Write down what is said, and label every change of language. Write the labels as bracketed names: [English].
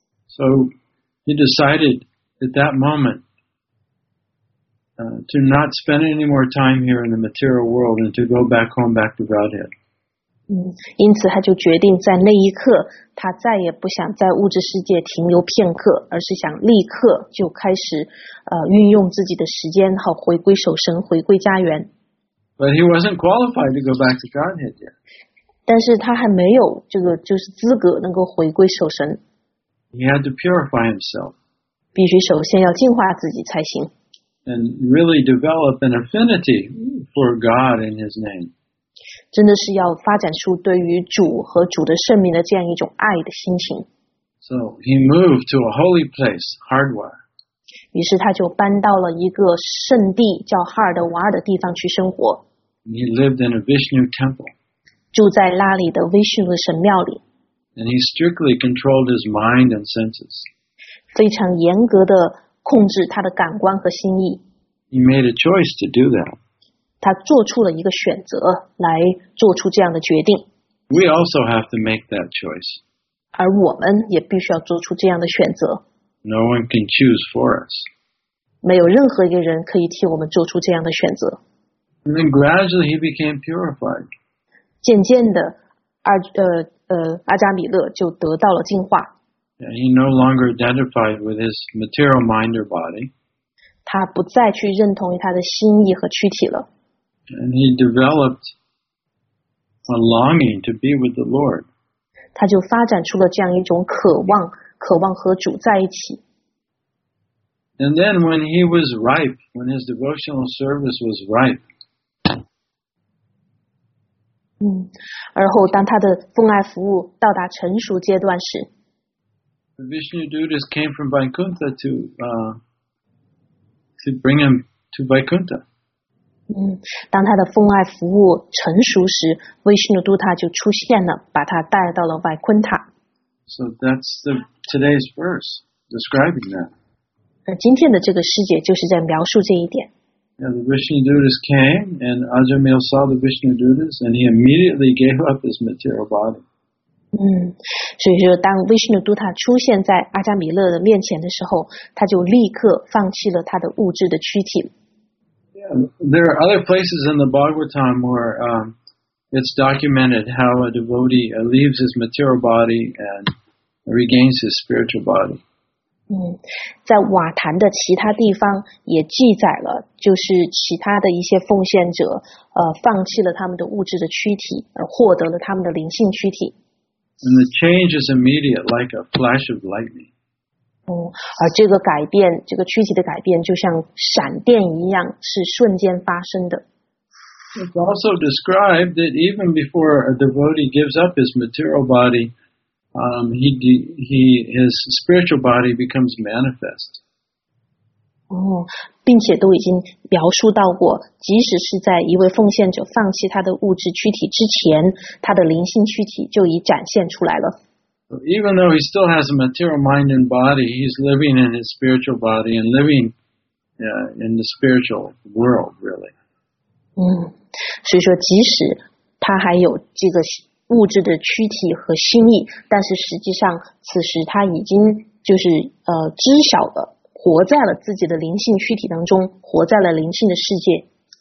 [English] So he decided at that moment. To not spend any more time here in the material world and to go back home, back to Godhead. [Chinese] 因此他就决定在那一刻，他再也不想在物质世界停留片刻，而是想立刻就开始，运用自己的时间，好回归守神，回归家园。 [English] But he wasn't qualified to go back to Godhead yet. [Chinese] 但是他还没有这个就是资格能够回归守神。 [English] He had to purify himself. [Chinese] 必须首先要净化自己才行。 [English] And really develop an affinity for God in His name. [Chinese] 真的是要发展出对于主和主的圣名的这样一种爱的心情。 [English] So he moved to a holy place, Hardwar. [Chinese] 于是他就搬到了一个圣地叫哈尔德瓦尔的地方去生活。 [English] And he lived in a Vishnu temple. [Chinese] 住在那里的 Vishnu 的神庙里。 [English] And he strictly controlled his mind and senses. [Chinese] 非常严格的。控制他的感官和心意。 [English] He made a choice to do that. [Chinese] 他做出了一个选择来做出这样的决定。 [English] We also have to make that choice. [Chinese] 而我们也必须要做出这样的选择。 [English] No one can choose for us. [Chinese] 没有任何一个人可以替我们做出这样的选择。 [English] And then gradually he became purified. [Chinese] 渐渐的阿扎米勒就得到了净化。 [English] He no longer identified with his material mind or body. [Chinese] 他不再去认同于他的心意和躯体了。 [English] And he developed a longing to be with the Lord. [Chinese] 他就发展出了这样一种渴望，渴望和主在一起。 [English] And then when he was ripe, when his devotional service was ripe, [Chinese] 而后当他的奉爱服务到达成熟阶段时， [English] The Vishnu Duttas came from Vaikuntha to bring him to Vaikuntha. [Chinese] 当他的奉爱服务成熟时 ，Vishnu Dutta 就出现了，把他带到了 Vaikuntha. [English] So that's today's verse describing that. [Chinese] 今天的这个师姐就是在描述这一点。 [English] Yeah, the Vishnu Duttas came, and Ajahn Mio saw the Vishnu Duttas, and he immediately gave up his material body. [Chinese] 所以说当 Vishnu Dutta 出现在阿扎米勒的面前的时候他就立刻放弃了他的物质的躯体。 [English] Yeah, there are other places in the Bhagavatam where it's documented how a devotee leaves his material body and regains his spiritual body. [Chinese] 在瓦坛的其他地方也记载了就是其他的一些奉献者放弃了他们的物质的躯体而获得了他们的灵性躯体。 [English] And the change is immediate, like a flash of lightning. [Chinese] 而这个改变，这个躯体的改变，就像闪电一样，是瞬间发生的。 [English] It's also described that even before a devotee gives up his material body, his spiritual body becomes manifest. [Chinese] 并且都已经描述到过，即使是在一位奉献者放弃他的物质躯体之前，他的灵性躯体就已展现出来了。 [English] even though he still has a material mind and body, he's living in his spiritual body and living in the spiritual world, really. [Chinese] 所以说即使他还有这个物质的躯体和心意，但是实际上此时他已经就是知晓了，活在了自己的灵性躯体当中，活在了灵性的世界。